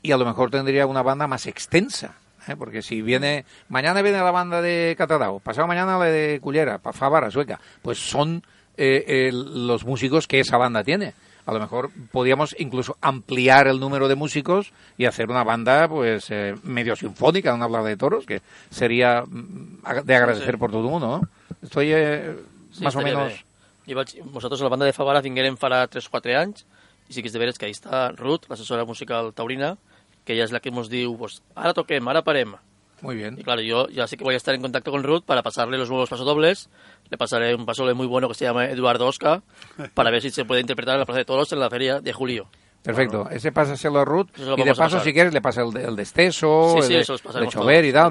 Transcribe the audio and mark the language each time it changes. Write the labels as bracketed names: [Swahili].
[Spanish] Y a lo mejor tendría una banda más extensa, ¿eh? Porque si viene, mañana viene la banda de Catadao, pasado mañana la de Cullera, Favara, Sueca, pues son los músicos que esa banda tiene. A lo mejor podíamos incluso ampliar el número de músicos y hacer una banda pues medio sinfónica, no hablar de toros, que sería de agradecer por todo el mundo, ¿no? Estoy más o menos... [Catalan] Vosotros la banda de Favara vingueren farà 3 o 4 anys, i sí que és de veres que ahí està Ruth, l'assessora musical taurina, que ella és la que ens diu, pues, ara toquem, ara parem. [Spanish] Muy bien. Y claro, yo ya sé que voy a estar en contacto con Ruth para pasarle los nuevos pasodobles. Le pasaré un pasodoble muy bueno que se llama Eduardo Oscar para ver si se puede interpretar en la Plaza de Toros en la feria de julio. Perfecto. Bueno, ese pásaselo a Ruth. Y de paso, si quieres, le pasa el de Esteso, el de Chover y tal.